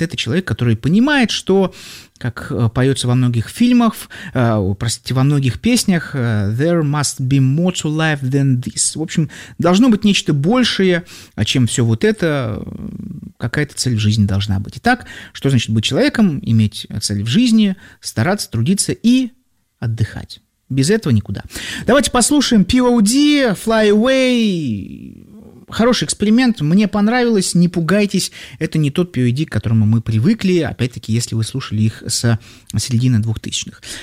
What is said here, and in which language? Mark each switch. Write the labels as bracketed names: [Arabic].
[Russian] Это человек, который понимает, что, как поется во многих фильмах, простите, во многих песнях, [English] «There must be more to life than this». [Russian] В общем, должно быть нечто большее, чем все вот это. Какая-то цель в жизни должна быть. Итак, что значит быть человеком? Иметь цель в жизни, стараться, трудиться и отдыхать. Без этого никуда. Давайте послушаем POD, Fly Away. Хороший эксперимент, мне понравилось, не пугайтесь. Это не тот POD, к которому мы привыкли, опять-таки, если вы слушали их с середины 2000-х.